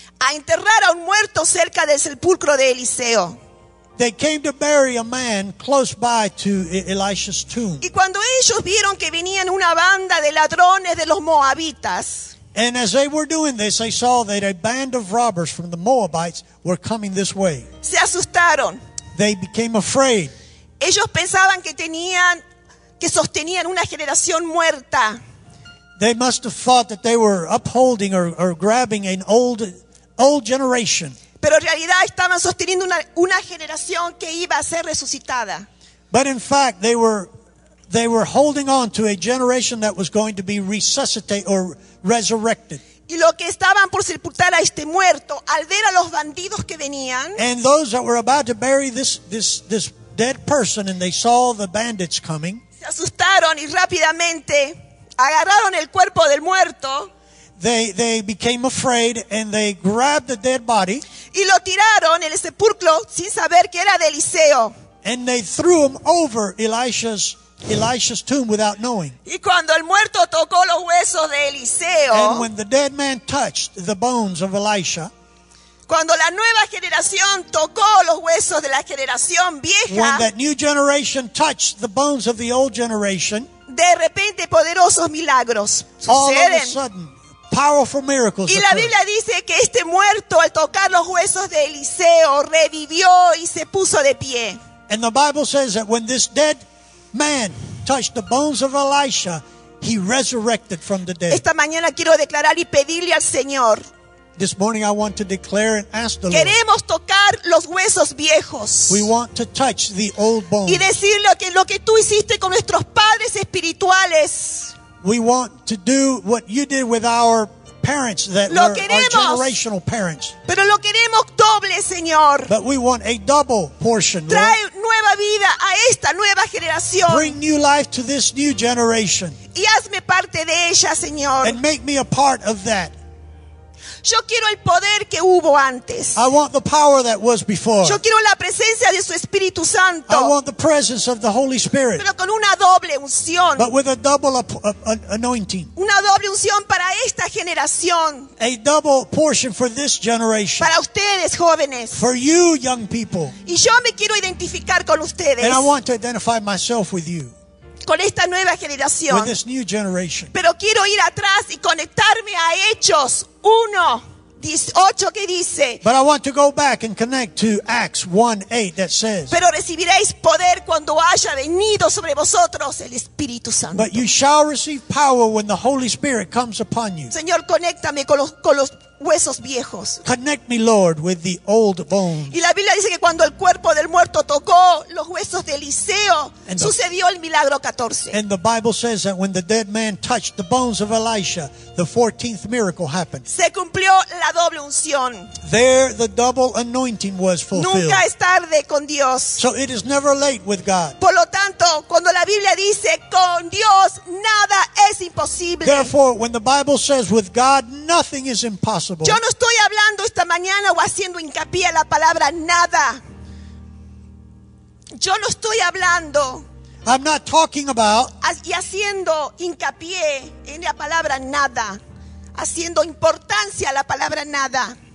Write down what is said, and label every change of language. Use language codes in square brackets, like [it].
[es] a enterrar a un muerto cerca del sepulcro de Eliseo. [en] They came to bury a man close by to Elisha's tomb. [es] Y cuando ellos vieron que venían una banda de ladrones de los Moabitas, [en] and as they were doing this, they saw that a band of robbers from the Moabites were coming this way. [es] Se asustaron. [en] They became afraid. [es] Ellos pensaban que tenían, que sostenían una generación muerta. [en] They must have thought that they were upholding or grabbing an old generation. [es] Pero en realidad estaban sosteniendo una generación que iba a ser resucitada. [en] But in fact, they were holding on to a generation that was going to be resuscitated or resurrected. [es] Y los que estaban por sepultar a este muerto, al ver a los bandidos que venían. [en] And those that were about to bury this dead person, and they saw the bandits coming. [es] Se asustaron y rápidamente agarraron el cuerpo del muerto. [en] They became afraid and they grabbed the dead body. [es] Y lo tiraron en el sepulcro sin saber que era de Eliseo. [en] And they threw him over Elisha's tomb without knowing. [es] Y cuando el muerto tocó los huesos de Eliseo. [en] And when the dead man touched the bones of Elisha. [es] Cuando la nueva generación tocó los huesos de la generación vieja. [en] When that new generation touched the bones of the old generation. [es] De repente poderosos milagros suceden. [en] All of a sudden, powerful miracles occur. [es] Y la Biblia dice que este muerto al tocar los huesos de Eliseo revivió y se puso de pie. [en] And the Bible says that when this dead man touched the bones of Elisha, he resurrected from the dead. [es] Esta mañana quiero declarar y pedirle al Señor. [en] This morning I want to declare and ask the [es] queremos Tocar los huesos viejos. [en] We want to touch the old bones. [es] Y decirle que lo que tú hiciste con nuestros padres espirituales. [en] We want to do what you did with our parents that [es] lo [en] were [es] queremos. [en] Our generational parents. [es] Pero lo queremos doble, Señor. [en] But we want a double portion. [es] Trae nueva vida a esta nueva generación. [en] Bring new life to this new generation. [es] Y hazme parte de ella, Señor. [en] And make me a part of that. [es] Yo quiero el poder que hubo antes. [en] I want the power that was before. [es] Yo quiero la presencia de su Espíritu Santo. [en] I want the presence of the Holy Spirit. [es] Pero con una doble unción. [en] But with a double anointing. [es] Una doble unción para esta generación. [en] A double portion for this generation. [es] Para ustedes, jóvenes. [en] For you, young people. [es] Y yo me quiero identificar con ustedes. [en] And I want to identify myself with you. [es] Con esta nueva generación. [en] With this new generation. [es] Pero quiero ir atrás y conectarme a Hechos 1:18 que dice. [en] But I want to go back and connect to Acts 1:8 that says. [es] Pero recibiréis poder cuando haya venido sobre vosotros el Espíritu Santo. [en] But you shall receive power when the Holy Spirit comes upon you. [es] Señor, conéctame con los huesos viejos. [en] Connect me, Lord, with the old bones. [es] Y la Biblia dice que cuando el cuerpo del muerto tocó los huesos de Eliseo, sucedió el milagro 14. [en] And the Bible says that when the dead man touched the bones of Elisha, the 14th miracle happened. [es] Se cumplió la doble unción. [en] There the double anointing was fulfilled. [es] Nunca es tarde con Dios. [en] So it is never late with God. [es] Por lo tanto, cuando la Biblia dice con Dios nada es imposible. [en] Therefore, when the Bible says with God nothing is impossible. [es] Yo no estoy hablando esta mañana o haciendo hincapié a la palabra nada. Yo no estoy hablando. [en] I'm not talking about. [es] Y haciendo hincapié en la palabra nada, haciendo importancia a la palabra nada.